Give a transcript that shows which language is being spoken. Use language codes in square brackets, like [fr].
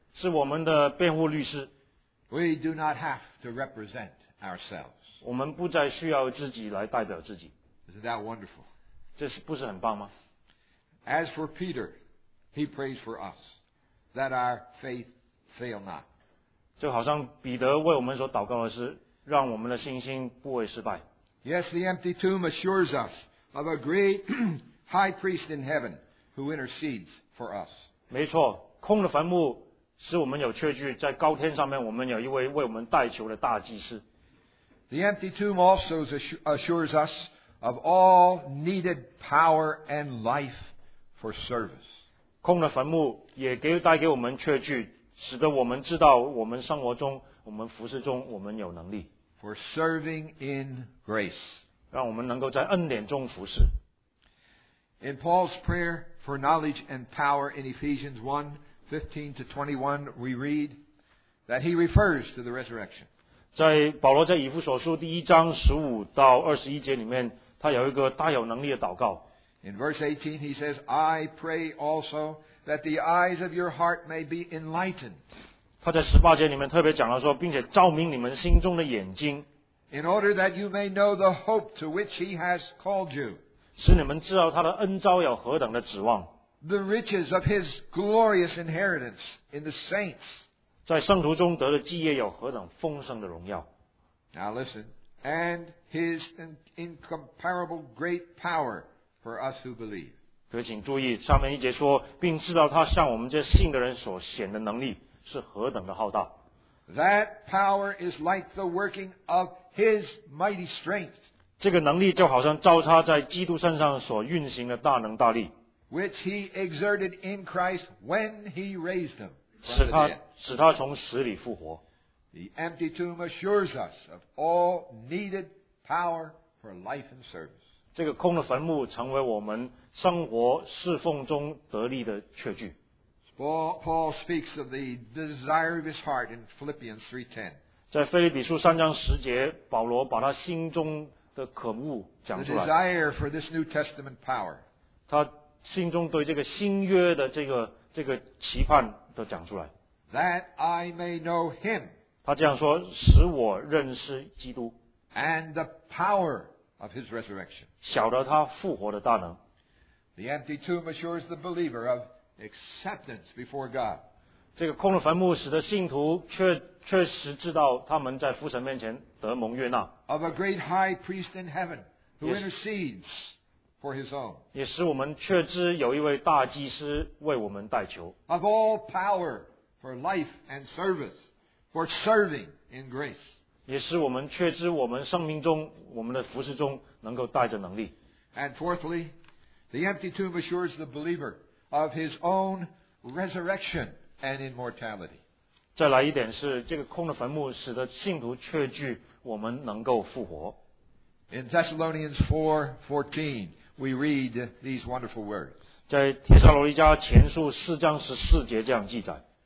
[zh] 是我们的辩护律师。 [en] We do not have to represent ourselves. [zh] 我们不再需要自己来代表自己。 [en] Isn't that wonderful? [zh] 这是不是很棒吗？ [en] As for Peter, he prays for us that our faith fail not. [zh] 就好像彼得为我们所祷告的是让我们的信心不会失败。 [en] Yes, the empty tomb assures us of a great high priest in heaven who intercedes for us. [zh] 没错，空的坟墓使我们有确据，在高天上面我们有一位为我们代求的大祭司。 [en] The empty tomb also assures us of all needed power and life for service. [zh] 空的坟墓也带给我们确据，使得我们知道我们生活中我们服事中我们有能力。 [en] For serving in grace. [zh] 让我们能够在恩典中服事。 [en] In Paul's prayer for knowledge and power in Ephesians 1:15-21, we read that he refers to the resurrection. [zh] 在保罗在以弗所书第一章15-21节里面，他有一个大有能力的祷告。 [en] In verse 18, he says, I pray also that the eyes of your heart may be enlightened. [zh] 他在十八节里面特别讲到说，并且照明你们心中的眼睛。 [en] In order that you may know the hope to which he has called you. [zh] 使你们知道他的恩召有何等的指望。 [en] The riches of his glorious inheritance in the saints. [zh] 在圣徒中得的基业有何等丰盛的荣耀。 [en] Now listen. And his incomparable great power for us who believe. [zh] 可请注意上面一节说，并知道他向我们这信的人所显的能力是何等的浩大。 [en] That power is like the working of his mighty strength. [zh] 这个能力就好像照他在基督身上所运行的大能大力。 [en] Which he exerted in Christ when he raised him. [zh] 使他从死里复活。 [en] The empty tomb assures us of all needed power for life and service. [zh] 这个空的坟墓成为我们生活侍奉中得力的确据。 [en] Paul speaks of the desire of his heart in Philippians 3:10. [zh] 在腓立比书三章十节，保罗把他心中的渴慕讲出来。 [en] The desire for this New Testament power. [zh] 他心中对这个新约的这个期盼都讲出来。 [en] That I may know him. [zh] 他这样说，使我认识基督。 [en] And the power of his resurrection. [zh] 晓得他复活的大能。 [en] The empty tomb assures the believer of acceptance before God. [zh] 这个空的坟墓使得信徒确实知道他们在父神面前得蒙悦纳。 [en] Of a great high priest in heaven who intercedes for his own. [zh] 也使我们确知有一位大祭司为我们代求。 [en] Of all power for life and service, for serving in grace. [zh] 也使我们确知我们生命中我们的服事中能够带着能力。 [en] And fourthly, the empty tomb assures the believer of his own resurrection and immortality. [zh] 再来一点是这个空的坟墓使得信徒确据我们能够复活。 [en] In Thessalonians 4:14, we read these wonderful words. [zh] 在帖撒罗尼迦前书4:14这样记载。